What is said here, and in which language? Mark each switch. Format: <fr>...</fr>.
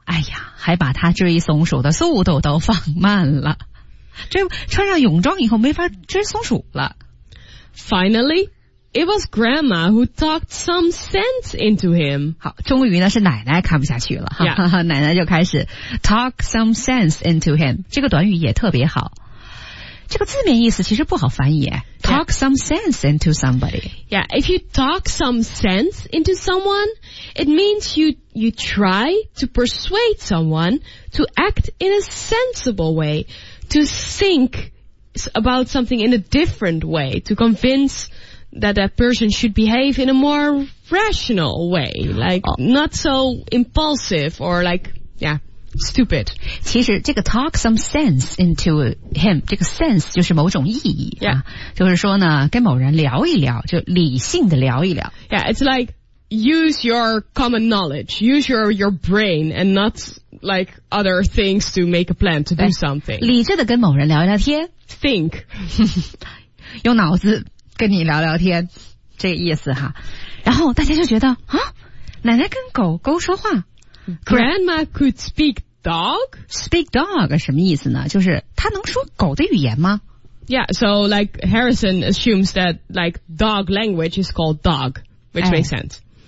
<zh>哎呀还把他追松鼠的速度都放慢了。这穿上泳装以后没法追松鼠了。</zh> <en>Finally, it was grandma who talked some sense into him.</en> <zh>好终于呢是奶奶看不下去了。</zh> <en>Yeah.</en> <zh>奶奶就开始</zh> <en>talk some sense into him.</en> <zh>这个短语也特别好。这个字面意思其实不好翻译。</zh> <en>Talk some sense into somebody. Yeah, if you talk some sense into someone, it means you try to persuade someone to act in a sensible way, to think about something in a different way, to convince that person should behave in a more rational way, like not so impulsive or like, yeah. Stupid.</en> <zh>其实这个</zh> <en>talk some sense into him,</en> <zh>这个 sense 就是某种意义、</zh> <en>yeah.</en> <zh>啊、就是说呢跟某人聊一聊就理性的聊一聊。</zh> <en>Yeah, it's like use your common knowledge, use your brain and not like other things to make a plan to do something.</en> <zh>理智的跟某人聊聊天。</zh> <en>Think.</en> <zh>用脑子跟你聊聊天这个意思哈。然后大家就觉得啊奶奶跟狗狗说话。</zh> <en>Grandma could speak dog? Speak dog</en> <zh>什么意思呢？就是他能说狗的语言吗？</zh> <en>Yeah, so like Harrison assumes that like dog language is called dog, which makes sense.</en>